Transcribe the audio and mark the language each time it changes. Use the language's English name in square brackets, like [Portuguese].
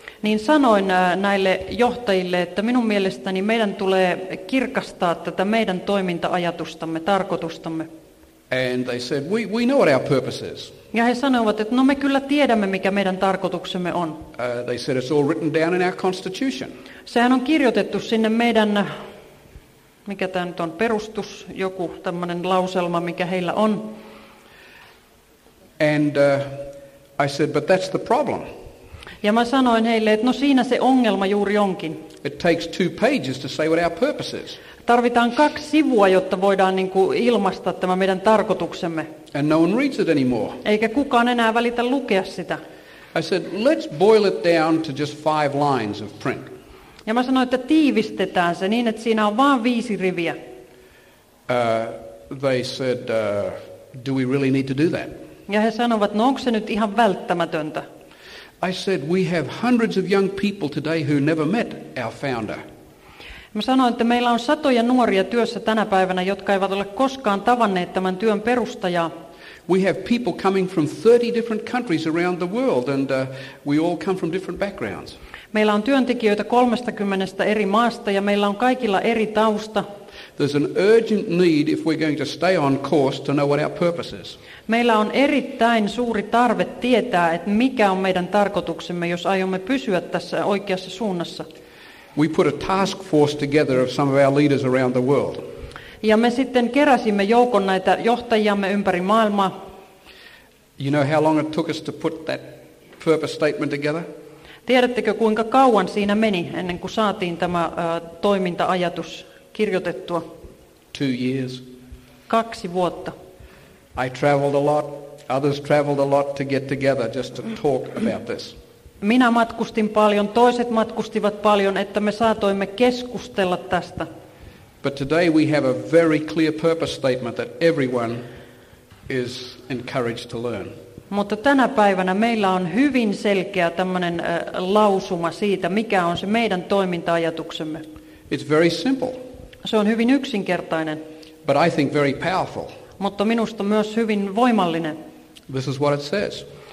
[Finnish] Niin sanoin näille johtajille, että minun mielestäni meidän tulee kirkastaa tätä meidän toiminta-ajatustamme, tarkoitustamme. [English] And they said, we know what our purpose is. [Finnish] Ja he sanoivat, että no me kyllä tiedämme, mikä meidän tarkoituksemme on. [English] They said it's all written down in our constitution. [Finnish] Sehän on kirjoitettu sinne meidän, mikä tämä nyt on, perustus, joku tämmöinen lauselma, mikä heillä on. [English] And I said, but that's the problem. [Finnish] Ja mä sanoin heille, että no siinä se ongelma juuri onkin. [English] It takes two pages to say what our purpose is. [Finnish] Tarvitaan kaksi sivua, jotta voidaan niin kuin ilmaista tämä meidän tarkoituksemme. [English] And no one reads it anymore. [Finnish] Eikä kukaan enää välitä lukea sitä. [English] I said, let's boil it down to just five lines of print. [Finnish] Ja mä sanoin, että tiivistetään se niin, että siinä on vain viisi riviä. [English] They said, do we really need to do that? [Finnish] Ja he sanovat, no onko se nyt ihan välttämätöntä? [English] I said we have hundreds of young people today who never met our founder. [Finnish] Mä sanoin, että meillä on satoja nuoria työssä tänä päivänä, jotka eivät ole koskaan tavanneet tämän työn perustajaa. [English] We have people coming from 30 different countries around the world and we all come from different backgrounds. [Finnish] Meillä on työntekijöitä 30 eri maasta ja meillä on kaikilla eri tausta. [English] There's an urgent need if we're going to stay on course to know what our purpose is. [Finnish] Meillä on erittäin suuri tarve tietää, että mikä on meidän tarkoituksemme, jos aiomme pysyä tässä oikeassa suunnassa. [English] We put a task force together of some of our leaders around the world. [Finnish] Ja me sitten keräsimme joukon näitä johtajiamme ympäri maailmaa. [English] You know how long it took us to put that purpose statement together? [Finnish] Tiedättekö kuinka kauan siinä meni ennen kuin saatiin tämä toiminta-ajatus kirjoitettua? [English] 2 years. [Finnish] 2 vuotta. [English] I traveled a lot, others traveled a lot to get together just to talk about this. [Finnish] Minä matkustin paljon, toiset matkustivat paljon, että me saatoimme keskustella tästä. [English] But today we have a very clear purpose statement that everyone is encouraged to learn. [Finnish] Mutta tänä päivänä meillä on hyvin selkeä tämmöinen lausuma siitä, mikä on se meidän toiminta-ajatuksemme. [English] It's very simple. [Finnish] Se on hyvin yksinkertainen. [English] But I think very powerful. [Finnish] Mutta minusta myös hyvin voimallinen. [English] This is what it says.